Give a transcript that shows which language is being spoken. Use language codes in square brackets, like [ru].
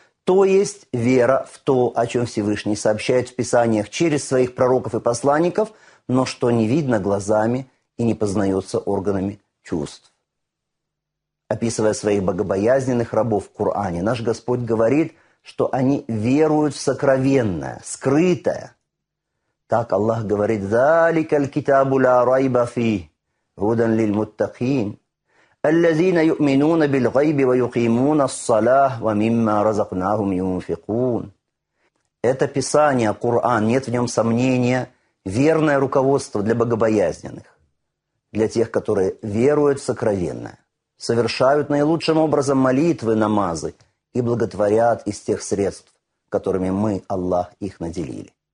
[ru] То есть вера в то, о чем Всевышний сообщает в Писаниях через своих пророков и посланников, но что не видно глазами и не познается органами чувств. Описывая своих богобоязненных рабов в Коране, наш Господь говорит, что они веруют в сокровенное, скрытое. Так Аллах говорит: [ar] «Залика аль-китабу ля райба фи, гудан лиль муттахин». الذين يؤمنون بالغيب ويقيمون الصلاة ومما رزقناهم ينفقون. [ru] Это Писание, Коран, нет в нем сомнения, верное руководство для богобоязненных, для тех, которые веруют в сокровенное, совершают наилучшим образом молитвы, намазы и благотворят из тех средств, которыми мы, Аллах, их наделили.